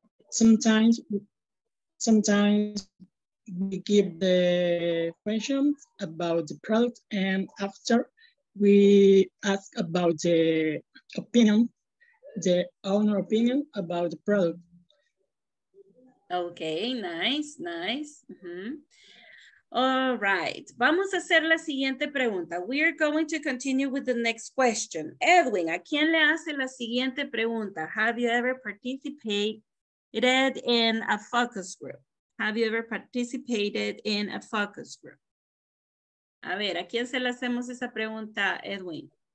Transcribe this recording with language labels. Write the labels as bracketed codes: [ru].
[en] Sometimes we give the question about the product, and after we ask about the opinion, the owner opinion about the product. Okay, nice. Mm-hmm. [es] All right, vamos a hacer la siguiente pregunta. [en] We are going to continue with the next question. [es] Edwin, ¿a quién le hace la siguiente pregunta? [en] Have you ever participated in a focus group? Have you ever participated in a focus group? [es] A ver, ¿a quién se le hacemos esa pregunta, Edwin?